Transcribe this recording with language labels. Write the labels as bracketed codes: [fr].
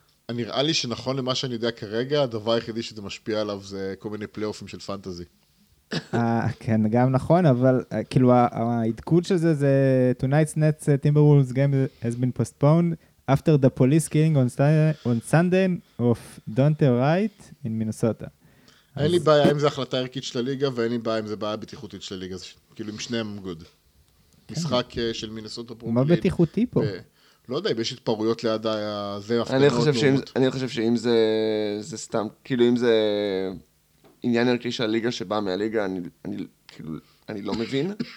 [he] נראה לי שנכון למה שאני יודע כרגע, הדבר היחידי שזה משפיע עליו זה כל מיני פלייאופים של פנטזי. כן, גם נכון, אבל כאילו העדכון של זה זה [en] Tonight's Nets Timberwolves game has been postponed after the police killing on Sunday of Donte Wright in Minnesota. [he] אין לי בעיה אם זה החלטה ערכית של הליגה, ואין לי בעיה אם זה בעיה בטיחותית של הליגה, כאילו עם שניהם גוד. משחק של מינסוטה פרומילים. מה בטיחותי פה? לא יודע, יש התפרויות ליד הזה. אני חושב שאם זה סתם, כאילו אם זה עניין ערכי של הליגה שבא מהליגה, אני לא מבין.